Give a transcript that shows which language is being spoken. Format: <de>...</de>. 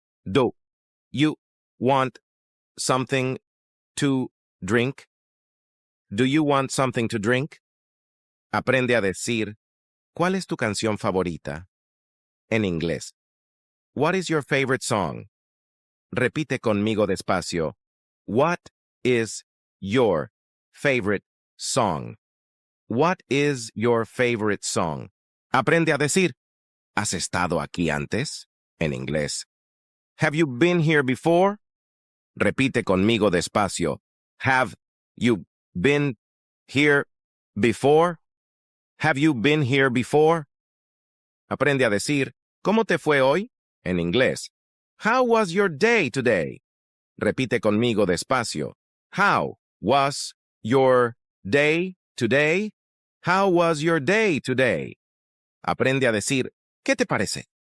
<en>Do you want something to drink? Do you want something to drink?</en> <es>Aprende a decir, ¿cuál es tu canción favorita? En inglés,</es> <en>what is your favorite song?</en> <es>Repite conmigo despacio.</es> <en>What is your favorite song? What is your favorite song?</en> <es>Aprende a decir, ¿has estado aquí antes? en inglés.</es> <en>Have you been here before?</en> <es>Repite conmigo despacio.</es> <en>Have you been here before? Have you been here before?</en> <es>Aprende a decir, ¿cómo te fue hoy? En inglés.</es> <en>How was your day today?</en> <es>Repite conmigo despacio.</es> <en>How was your day today? How was your day today?</en> <es>Aprende a decir, ¿qué te parece?</es>